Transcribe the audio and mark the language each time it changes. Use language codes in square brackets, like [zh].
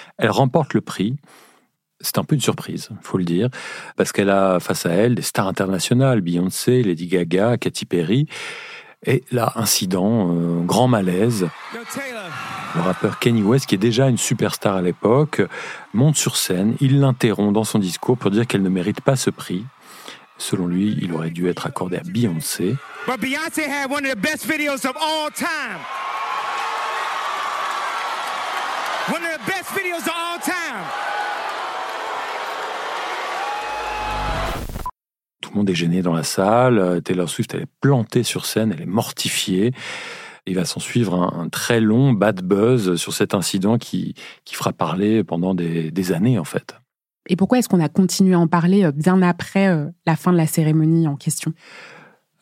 [fr] Elle remporte le prix. C'est un peu une surprise, il faut le dire, parce qu'elle a face à elle des stars internationales, Beyoncé, Lady Gaga, Katy Perry. Et là, incident, grand malaise. Le rappeur Kanye West, qui est déjà une superstar à l'époque, monte sur scène, il l'interrompt dans son discours pour dire qu'elle ne mérite pas ce prix. Selon lui, il aurait dû être accordé à Beyoncé. [en] But Beyoncé had one of the best videos of all time. One of the best videos of all time. [fr] Tout le monde est gêné dans la salle. Taylor Swift, elle est plantée sur scène, elle est mortifiée. Il va s'en suivre un très long bad buzz sur cet incident qui fera parler pendant des années, en fait. Et pourquoi est-ce qu'on a continué à en parler bien après la fin de la cérémonie en question ?